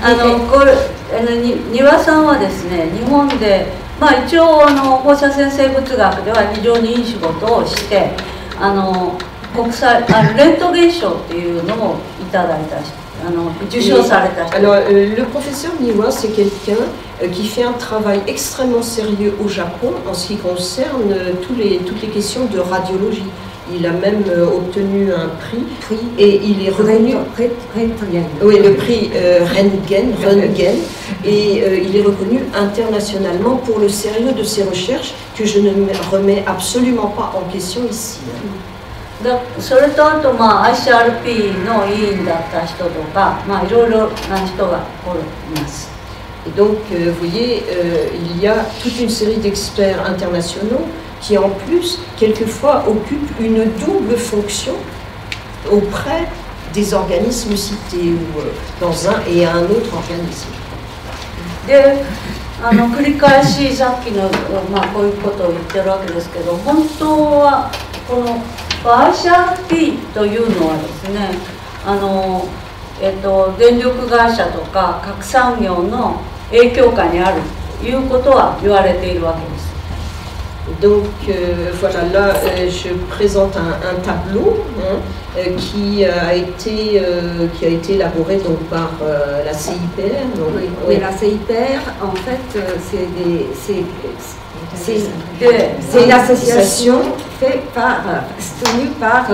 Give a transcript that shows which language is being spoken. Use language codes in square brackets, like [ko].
[ja] 庭さんはですね、日本で、まあ、一応放射線生物学では非常にいい仕事をして、国際レントゲン賞っていうのをいただいたし、受賞された人。 [fr] Alors, le professeur Niwa, c'est quelqu'un qui fait un travail extrêmement sérieux au Japon en ce qui concerne toutes les questions de radiologie. Il a même obtenu un prix et il est reconnu. Le prix Röntgen. Et il est reconnu internationalement pour le sérieux de ses recherches que je ne remets absolument pas en question ici. [ja] それとあと、まあ、ICRP の委員だった人とか、まあ、いろいろな人がおります。 [fr] Et donc, vous voyez, il y a toute une série d'experts internationaux. Qui en plus, quelquefois, occupe une double fonction auprès des organismes cités ou dans un et un autre organisme. [ja] で、繰り返しさっきの、まあ、こういうことを言ってるわけですけど、本当はこの ICRP というのはですね、電力会社とか核産業の影響下にあるということは言われているわけです。 [fr] Donc voilà, là je présente un tableau hein, qui a été élaboré donc, par la CIPR. Donc, oui, oui. Mais la CIPR, en fait, c'est une association tenue par